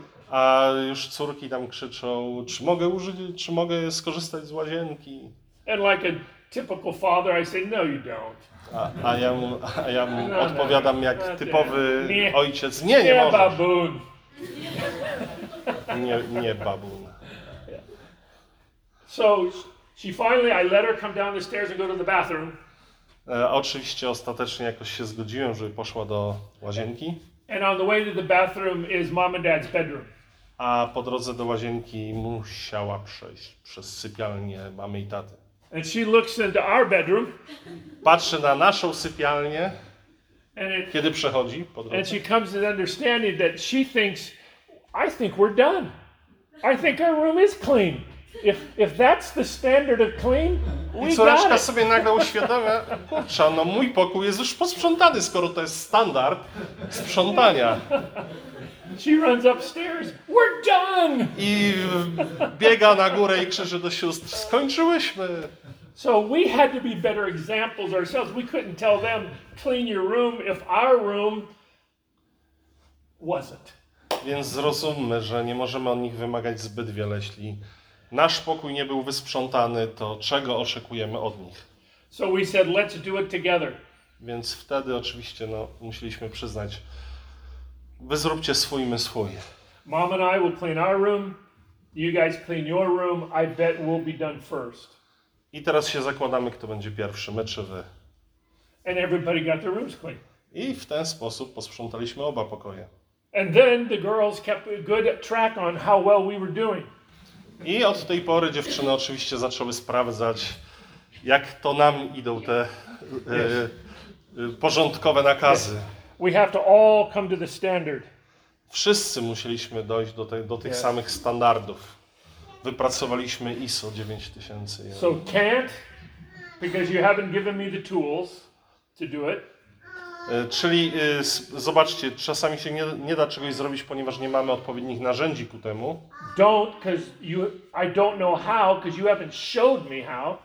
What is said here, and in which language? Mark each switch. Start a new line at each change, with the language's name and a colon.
Polish: A już córki tam krzyczą, czy mogę skorzystać z łazienki?
English: And like a typical father, I say, no, you don't.
Polish: A ja mu no, odpowiadam no, jak typowy nie. Ojciec. Nie, nie możesz. Babun. Nie babun.
English: So she finally, I let her come down the stairs and go to the bathroom.
Polish: Oczywiście ostatecznie jakoś się zgodziłem, żeby poszła do łazienki.
English: And on the way to the bathroom is mom and dad's bedroom.
Polish: A po drodze do łazienki musiała przejść przez sypialnię mamy i taty.
English: And she looks into our bedroom.
Polish: Patrzy na naszą sypialnię. Kiedy przechodzi po drodze.
English: And she comes to the understanding that she thinks, I think we're done. I think our room is clean. If that's the standard of clean, we got it.
Polish: I córeczka sobie nagle uświadamia, kurczę, no mój pokój jest już posprzątany, skoro to jest standard sprzątania.
English: She runs upstairs. We're done!
Polish: I biega na górę i krzyczy do sióstr, skończyłyśmy.
English: So we had to be better examples ourselves. We couldn't tell them, clean your room if our room wasn't.
Polish: Więc zrozummy, że nie możemy od nich wymagać zbyt wiele, jeśli... Nasz pokój nie był wysprzątany, to czego oczekujemy od nich?
English: So we said, let's do it together.
Polish: Więc wtedy oczywiście no, musieliśmy przyznać, wy zróbcie swój, my swój.
English: Mom and I will clean our room, you guys clean your room, I bet we'll be done first.
Polish: I teraz się zakładamy, kto będzie pierwszy, my czy wy.
English: And everybody got their rooms clean.
Polish: I w ten sposób posprzątaliśmy oba pokoje.
English: And then the girls kept a good track on how well we were doing.
Polish: I od tej pory dziewczyny oczywiście zaczęły sprawdzać, jak to nam idą te porządkowe nakazy.
English: We have to all come to the standard.
Polish: Wszyscy musieliśmy dojść do tych samych standardów. Wypracowaliśmy ISO 9000.
English: So can't, because you haven't given me the tools to do it.
Polish: Czyli zobaczcie, czasami się nie da czegoś zrobić, ponieważ nie mamy odpowiednich narzędzi ku temu.
English: Don't, because you, I don't know how, because you haven't showed me how.